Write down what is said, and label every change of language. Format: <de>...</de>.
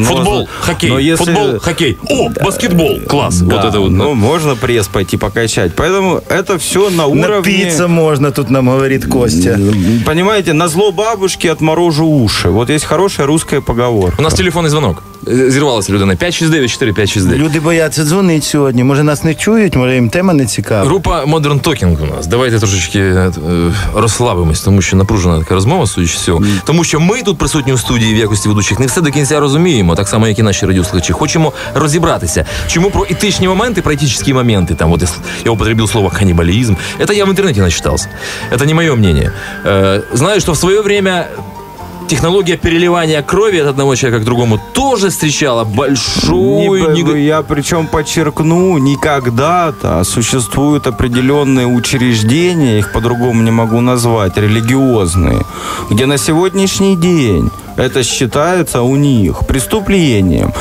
<ru>Футбол, хоккей. О, да, баскетбол. Класс. Да, вот это вот. Ну, можно пресс пойти покачать. Поэтому это все на уровне... Напиться можно, тут нам говорит Костя. Понимаете, на зло бабушки отморожу уши. Вот есть хорошая русская поговорка. У нас телефонный звонок.</ru> <uk>Зірвалася людина. 569-4569. Люди бояться дзвонити сьогодні. Може нас не чують, може їм тема не цікава. Група Modern Talking у нас. Давайте трошечки розслабимось, тому що напружена така розмова, судячи з цього. Тому що ми тут присутні у студії в якості ведучих не все до кінця розуміємо, так само, як і наші радіослухачі. Хочемо розібратися, чому про етичні моменти, про етичні моменти, там, от я употребив слово канібалізм. Це я в інтернеті начитався. Це не моє мнение. Знаю, що в своє время...</uk> <ru>Технология переливания крови от одного человека к другому тоже встречала большую... Я причем подчеркну, не когда-то, а существуют определенные учреждения, их по-другому не могу назвать, религиозные, где на сегодняшний день это считается у них преступлением.</ru>